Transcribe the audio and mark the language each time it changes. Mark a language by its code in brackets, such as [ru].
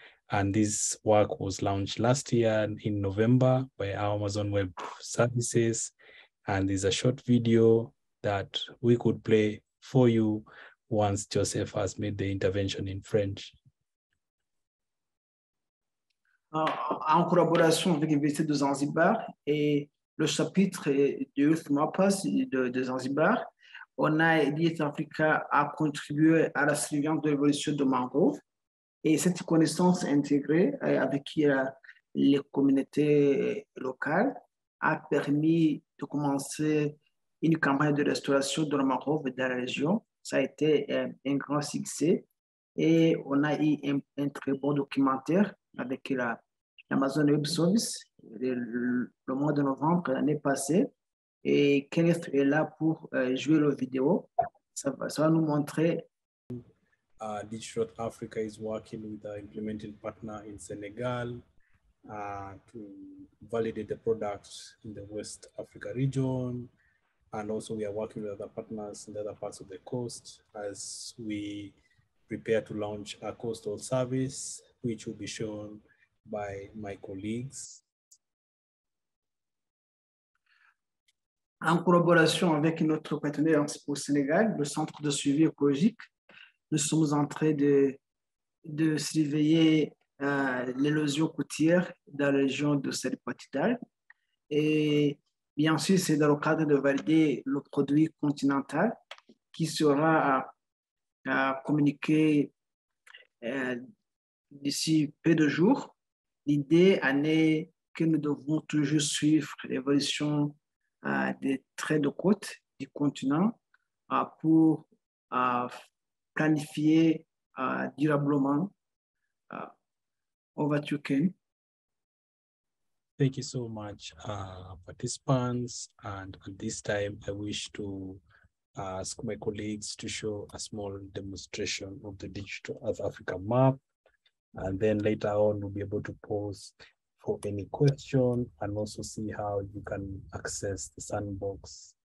[en] And this work was launched last year in November by Amazon Web Services. And there's a short video that we could play for you once Joseph has made the intervention in French. [fr] En collaboration avec l'Université de Zanzibar et le chapitre de YouthMappers de Zanzibar, on a dit Africa a contribué à la suivante de l'évolution de mangrove et cette connaissance intégrée avec les communautés locales a permis de commencer une campagne de restauration de la mangrove dans la région. Ça a été un grand succès et on a eu un très bon documentaire avec l'Amazon Web Services le mois de novembre l'année passée. Et Kenneth est là pour jouer la vidéo. Ça va nous montrer. [en] Digital Africa is working with our implementing partner in Senegal to validate the products in the West Africa region. And also we are working with other partners in the other parts of the coast as we prepare to launch a coastal service, which will be shown by my colleagues. [fr] En collaboration avec notre partenaire au Sénégal, le Centre de suivi écologique, nous sommes en train de surveiller l'érosion côtière dans la région de Sédipatidal. Et bien sûr, c'est dans le cadre de valider le produit continental qui sera communiqué d'ici peu de jours. L'idée en est que nous devons toujours suivre l'évolution des traits de côte du continent pour planifier durablement [en] over to Ken. Thank you so much, participants. And at this time, I wish to ask my colleagues to show a small demonstration of the Digital Earth Africa map. And then later on, we'll be able to pause for any question and also see how you can access the sandbox.